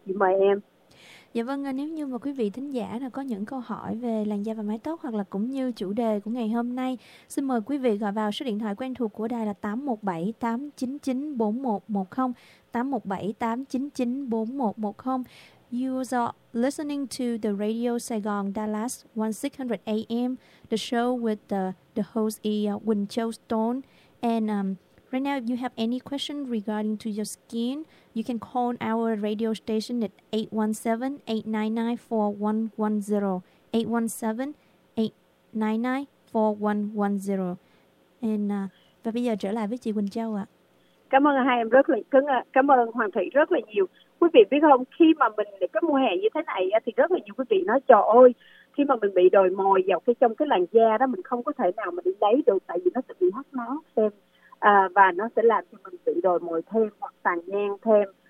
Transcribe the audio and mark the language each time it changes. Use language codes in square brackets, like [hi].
[vi] Xin mời em. Dạ vâng, nếu như mà quý vị thính giả nào có những câu hỏi về làn da và mái tóc, hoặc là cũng như chủ đề của ngày hôm nay, xin mời quý vị gọi vào số điện thoại quen thuộc của đài là 817-899-4110, 817-899-4110. [en] You are listening to the Radio Saigon Dallas 1600 AM, the show with the host Quỳnh Châu Stone. And right now, if you have any question regarding to your skin, you can call our radio station at 817-899-4110, 817-899-4110. [vi] Và bây giờ trở lại với chị Quỳnh Châu ạ. Cảm ơn hai em rất là cứng ạ. Cảm ơn Hoàng Thị rất là nhiều. Quý vị biết không, khi mà mình cái mùa hè như thế này thì rất là nhiều quý vị nói trời ơi, khi mà mình bị đồi mồi vào cái trong cái làn da đó, mình không có thể nào mà đi lấy được, tại vì nó sẽ bị hắt nó thêm và nó sẽ làm cho mình bị đồi mồi thêm hoặc tàn nhang thêm.